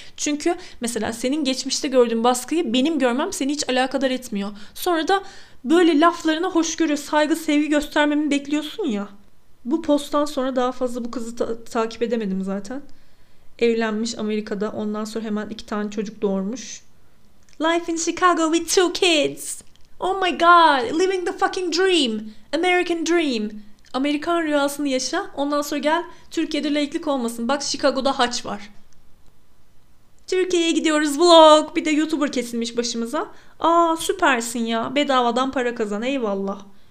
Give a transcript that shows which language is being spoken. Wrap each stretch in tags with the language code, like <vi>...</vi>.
<tr>Çünkü mesela senin geçmişte gördüğün baskıyı benim görmem seni hiç alakadar etmiyor. Sonra da böyle laflarına hoşgörü, saygı, sevgi göstermemi bekliyorsun ya. Bu posttan sonra daha fazla bu kızı takip edemedim zaten. Evlenmiş Amerika'da. Ondan sonra hemen 2 tane çocuk doğurmuş.</tr> <en>Life in Chicago with 2 kids. Oh my god, living the fucking dream. American dream.</en> <tr>Amerikan rüyasını yaşa. Ondan sonra gel Türkiye'de laiklik olmasın. Bak Chicago'da haç var. Türkiye'ye gidiyoruz vlog. Bir de YouTuber kesilmiş başımıza. Aa süpersin ya. Bedavadan para kazan. Eyvallah.</tr>